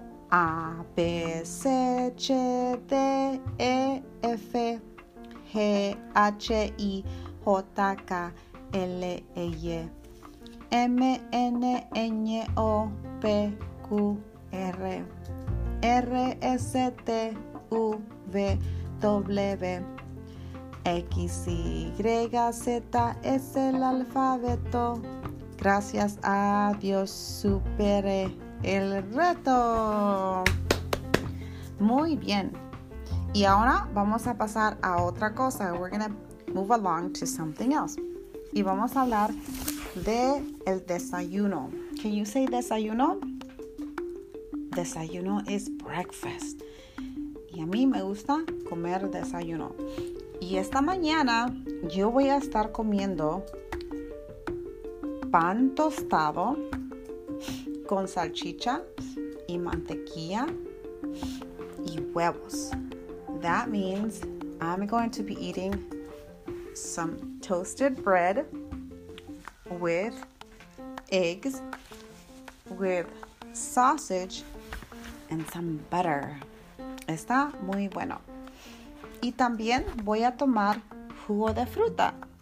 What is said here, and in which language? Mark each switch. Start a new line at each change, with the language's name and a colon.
Spanish: A, B, C, C, D, E, F, G, H, I, J, K, L, L, M, N, Ñ, O, P, Q, R, R, S, T, U, V, W, X, Y, Z, es el alfabeto. Gracias a Dios, superé el reto. Muy bien. Y ahora vamos a pasar a otra cosa.
English: We're going to move along to something else.
Spanish: Y vamos a hablar de el desayuno.
English: Can you say desayuno? Desayuno is breakfast.
Spanish: Y a mí me gusta comer desayuno. Y esta mañana yo voy a estar comiendo pan tostado con salchicha y mantequilla y huevos.
English: That means I'm going to be eating some toasted bread with eggs, with sausage and some butter.
Spanish: Está muy bueno. Y también voy a tomar jugo de fruta.